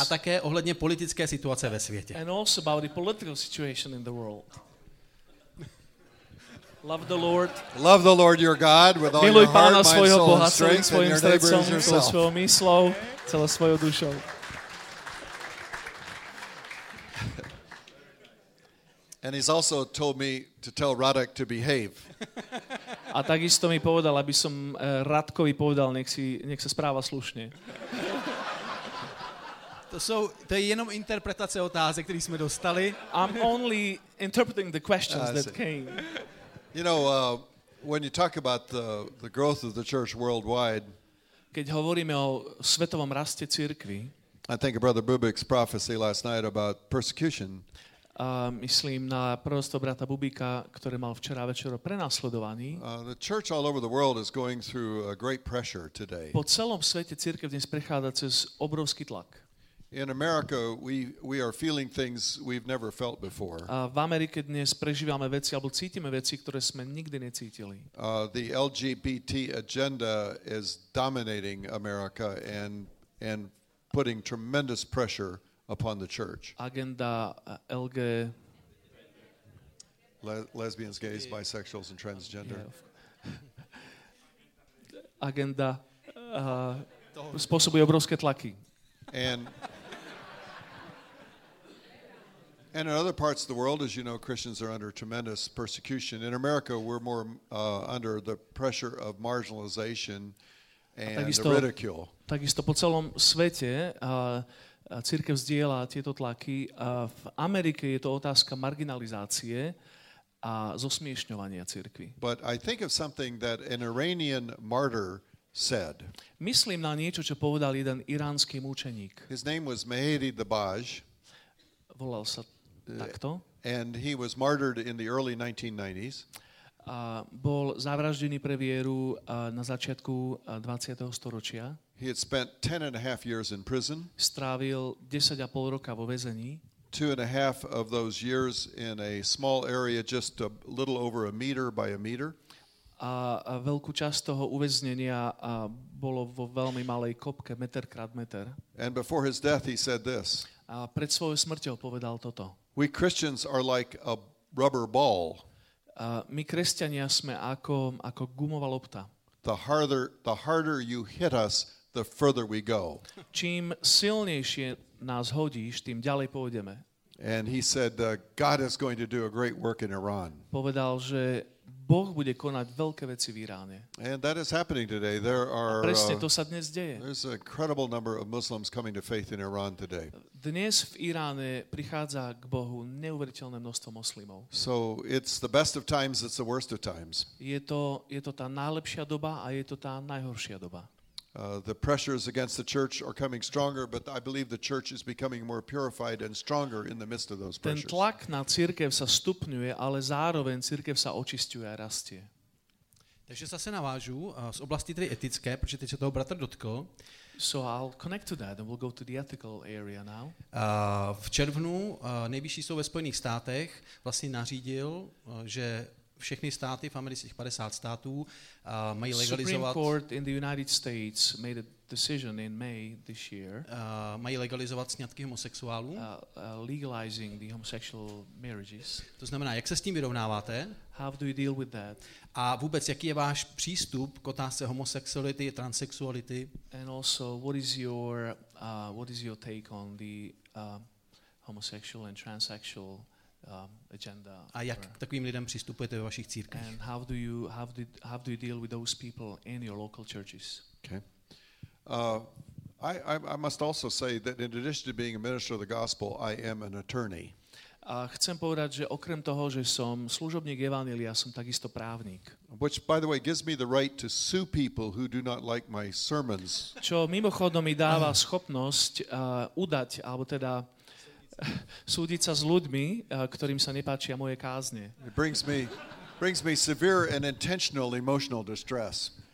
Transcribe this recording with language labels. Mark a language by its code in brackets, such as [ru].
[cs] a také ohledně politické situace ve světě. [en] And also about the political situation in the world. Love the Lord. Love the Lord your God with all [sk] miluj [en] your heart, [sk] svojho [en] mind, [sk] Boha, [en] soul, strength, [sk] svojim [en] and your neighbor as yourself. [sk] Celou svojou myslou, celou svojou dušou. [en] And he's also told me to tell Radek to behave. [sk] A takisto mi povedal, aby som Radkovi povedal, nech sa správa slušne. [cs] To je jenom interpretace otázek, které jsme dostali. [en] I'm only interpreting the questions that came. You know, when you talk about the growth of the church worldwide. [sk] Keď hovoríme o svetovom raste cirkvi. [en] I think of Brother Bubik's prophecy last night about persecution. [sk] Myslím na prorostov brata Bubika, ktoré mal včera večer o prenasledovaní. [en] The church all over the world is going through a great pressure today. [sk] Po celom svete cirkev dnes prechádza cez obrovský tlak. [en] In America we are feeling things we've never felt before. [sk] A v Amerike dnes prežívame veci alebo cítime veci, ktoré sme nikdy necítili. [en] The LGBT agenda is dominating America and putting tremendous pressure upon the church. [sk] Agenda LG [en] lesbians, gays, bisexuals and transgender. [sk] Agenda spôsobuje obrovské tlaky. [en] And in other parts of the world, as you know, Christians are under tremendous persecution. In America, we're more under the pressure of marginalization and [sk] takisto, [en] the ridicule. [sk] Takisto po celom svete cirkev zdieľa tieto tlaky. V Amerike je to otázka marginalizácie a zosmiešňovania cirkvi. [en] But I think of something that an Iranian martyr said. [sk] Myslím na niečo, čo povedal jeden iránsky mučeník. [en] His name was Mehdi Dabaj. [sk] Volal sa takto. [en] And he was martyred in the early 1990s. [sk] A bol zavraždený pre vieru na začiatku 20. storočia. [en] He had spent 10 and a half years in prison. [sk] Strávil 10 a pol roka vo väzení. [en] 2 and a half of those years in a small area just a little over a meter by a meter. [sk] A veľkú časť toho uväznenia bolo vo veľmi malej kopke, meter krát meter. [en] And before his death he said this. [sk] A pred svojou smrťou povedal toto. [en] We Christians are like a rubber ball. [sk] My kresťania sme ako gumová lopta. [en] The harder you hit us, the further we go. [sk] Čím silnejšie nás hodíš, tým ďalej pôjdeme. [en] And he said God is going to do a great work in Iran. [sk] Povedal, že Boh bude konať veľké veci v Iráne. [en] And that is happening today. There are [sk] presne to sa dnes deje. [en] There's an incredible number of Muslims coming to faith in Iran today. [sk] Dnes v Iráne prichádza k Bohu neuveriteľné množstvo moslimov. [en] So it's the best of times, it's the worst of times. [sk] Je to tá najlepšia doba a je to tá najhoršia doba. [en] The pressures against the church are coming stronger, but I believe the church is becoming more purified and stronger in the midst of those pressures. [sk] Ten tlak na cirkev sa stupňuje, ale zároveň cirkev sa očisťuje a rastie. [cs] Takže zase navážu z oblasti tedy etické, pretože teď sa toho bratr dotkol. [en] So I'll connect to that and we'll go to the ethical area now. [cs] V červnu nejvyšší soud ve Spojených státech vlastne nařídil, že všechny státy v amerických 50 států mají legalizovat. [en] Supreme Court in the United States made a decision in May this year. [cs] Mají legalizovat sňatky homosexuálů. [en] Legalizing the homosexual marriages. [cs] To znamená, jak se s tím vyrovnáváte? [en] How do you deal with that? [cs] A vůbec, jaký je váš přístup k otázce homosexuality a transsexuality? [en] And also, what is your take on the homosexual and transsexual agenda. [cs] A jak k takovým lidem přistupujete ve vašich církvích? [en] And how do you deal with those people in your local churches? Okay. I must also say that in addition to being a minister of the gospel, I am an attorney. [sk] A chcem povedať, že okrem toho, že som služobník evanjelia, som takisto právnik. [en] Which, by the way, gives me the right to sue people who do not like my sermons. [sk] Čo mimochodom mi dáva schopnosť udať, alebo teda súdiť sa s ľuďmi, ktorým sa nepáčia moje kázne. [en] It brings me severe and intentional emotional distress.